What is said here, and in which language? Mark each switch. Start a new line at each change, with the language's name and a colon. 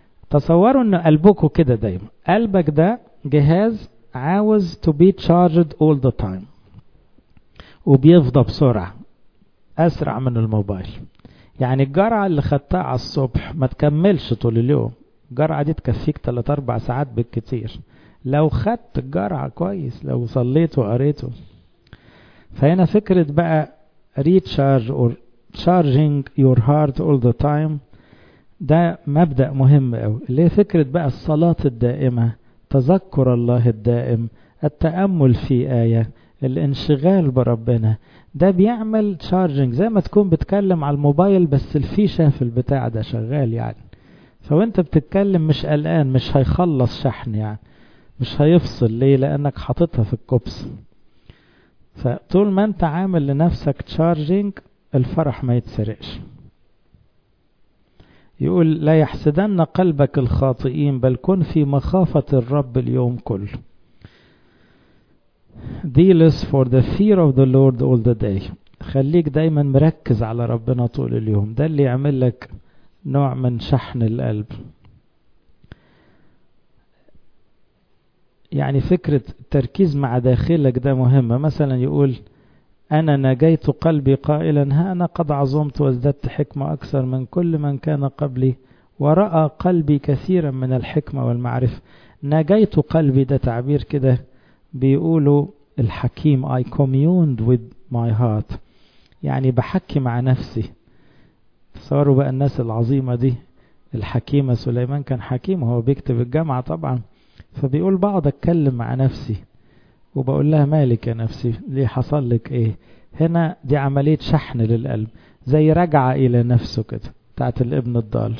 Arabic: تصوروا ان قلبكوا كده دايما، قلبك ده جهاز عاوز
English: to be charged all the time
Arabic: وبيفضى بسرعة اسرع من الموبايل. يعني الجرعة اللي خدتها على الصبح ما تكملش طول اليوم، الجرعة دي تكفيك 3-4 ساعات بالكتير لو خدت الجرعة كويس، لو صليت وقريته. فهنا فكرة بقى
English: recharge or charging your heart all the time،
Arabic: ده مبدأ مهم قوي. اللي فكرة بقى الصلاة الدائمة، تذكر الله الدائم، التأمل في آية، الانشغال بربنا، ده بيعمل charging زي ما تكون بتكلم على الموبايل بس الفيشة في البتاع ده شغال يعني. فوانت بتتكلم مش قلقان، مش هيخلص شحن يعني، مش هيفصل. ليه؟ لأنك حطتها في الكوبس. فطول ما انت عامل لنفسك charging الفرح ما يتسرقش. يقول لا يحسدن قلبك الخاطئين بل كن في مخافة الرب اليوم كل.
English: Zealous for the fear of the Lord all the day.
Arabic: خليك دايما مركز على ربنا طول اليوم. ده اللي يعمل لك نوع من شحن القلب. يعني فكرة التركيز مع داخلك ده مهمة. مثلا يقول أنا نجيت قلبي قائلا ها أنا قد عظمت وازددت حكمة أكثر من كل من كان قبلي ورأى قلبي كثيرا من الحكمة والمعرفة. نجيت قلبي ده تعبير كده بيقوله الحكيم.
English: I communed with my heart
Arabic: يعني بحكي مع نفسي. تصوروا بقى الناس العظيمة دي. الحكيمة سليمان كان حكيم وهو بيكتب الجامعة طبعا, فبيقول بعض اتكلم مع نفسي وبقول لها مالك يا نفسي ليه حصل لك ايه. هنا دي عملية شحن للقلب زي رجعة الى نفسه كده بتاعت الابن الضال.